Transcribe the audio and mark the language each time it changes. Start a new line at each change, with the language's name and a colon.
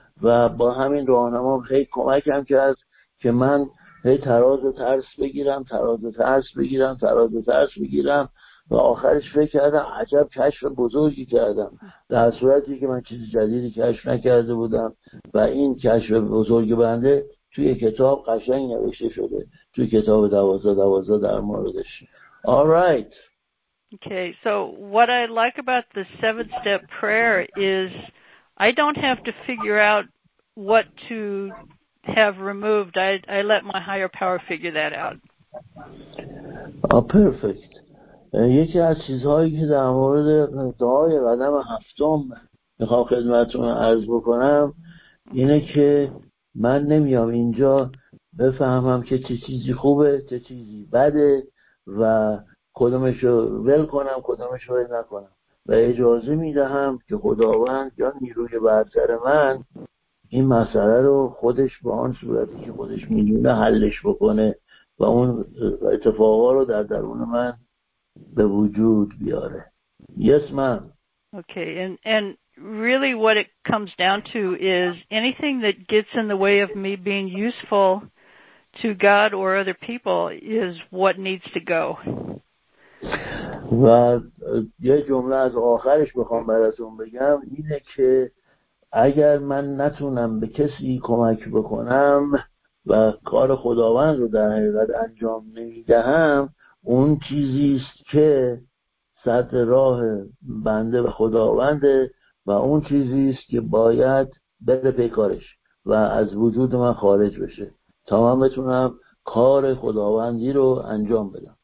Persian: و با همین راهنمام خیلی کمکم کرد که من هی تراز ترس بگیرم و آخرش فکر کردم عجب کشف بزرگی کردم، در صورتی که من چیز جدیدی کشف نکرده بودم و این کشف بزرگ بنده توی کتاب قشنگ نوشته شده، توی کتاب 12-12 در موردش.
English: Alright. Okay, so what I like about the 7-step prayer is I don't have to figure out what to have removed. I let my higher power figure that out. Perfect.
Persian: یکی از چیزهایی که در مورد دعای قدم هفتم میخوام خدمتتون عرض بکنم اینه که من نمیام اینجا بفهمم که چه چیزی خوبه چه چیزی بده و کدومشو ول کنم کدومشو ول نکنم، و اجازه میدهم که خداوند یا نیروی برتر من این مسئله رو خودش با آن صورتی که خودش میدونه حلش بکنه و اون اتفاقا رو در درون من به وجود بیاره.
English: Yes, ma'am. Okay, and really what it comes down to is anything that gets in the way of me being useful to God or other people is what needs to go.
Persian: و یه جمله از آخرش بخوام براتون بگم اینه که اگر من نتونم به کسی کمک بکنم و کار خداوند رو در حقیقت انجام نمیدهم، اون چیزی است که سد راه بنده و خداونده و اون چیزی است که باید بره پی کارش و از وجود من خارج بشه تا من بتونم کار خداوندی رو انجام بدم.